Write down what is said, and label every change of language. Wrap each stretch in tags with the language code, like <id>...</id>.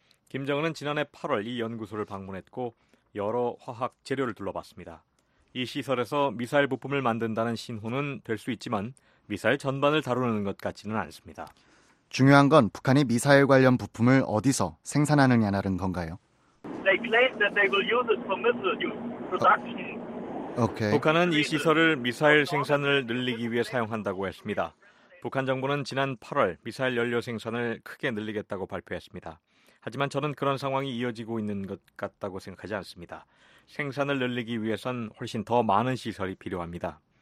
<ko>김정은은 지난해 8월 이 연구소를 방문했고 여러 화학 재료를 둘러봤습니다. 이 시설에서 미사일 부품을 만든다는 신호는 될 수 있지만 미사일 전반을 다루는 것 같지는 않습니다. 중요한 건 북한이 미사일 관련 부품을 어디서 생산하느냐는 건가요?</ko> <en>They claim that they will use it for missile use.</en> <ko>북한은 이 시설을 미사일 생산을 늘리기 위해 사용한다고 했습니다. 북한 정부는 지난 8월 미사일 연료 생산을 크게 늘리겠다고 발표했습니다. 하지만 저는 그런 상황이 이어지고 있는 것 같다고 생각하지 않습니다. 생산을 늘리기 위해선 훨씬 더 많은 시설이 필요합니다.</ko>